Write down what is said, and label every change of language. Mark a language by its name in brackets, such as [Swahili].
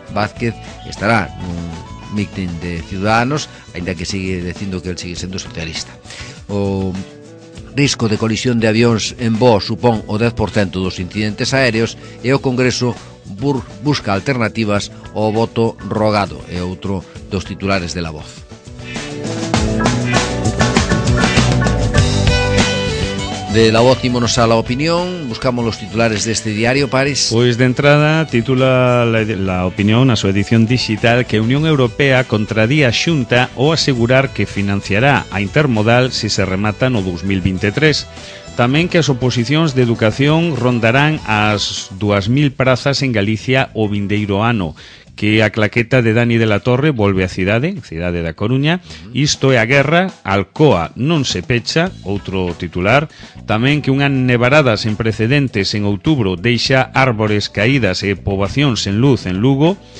[Galician] Vázquez estará nun mítin de Ciudadanos, aínda que sigue dicindo que el sigue sendo socialista. O risco de colisión de avións en voo supón o 10% dos incidentes aéreos, e o Congreso busca alternativas ao voto rogado, e outro dos titulares de La Voz. De La Voz ímonos a La Opinión, [Spanish] buscamos los titulares de este diario, París. Pues de entrada, titula la Opinión a su edición digital que Unión Europea [Galician] contradía Xunta o asegurar que financiará a Intermodal si se remata no 2023. Tamén que as oposicións de educación rondarán as 2.000 prazas en Galicia o vindeiro ano. Que a claqueta de Dani de la Torre volve a cidade da Coruña. Isto é a guerra, Alcoa non se pecha, outro titular. Tamén que unha nevarada sen precedentes en outubro deixa árbores caídas e poboación sen luz en Lugo.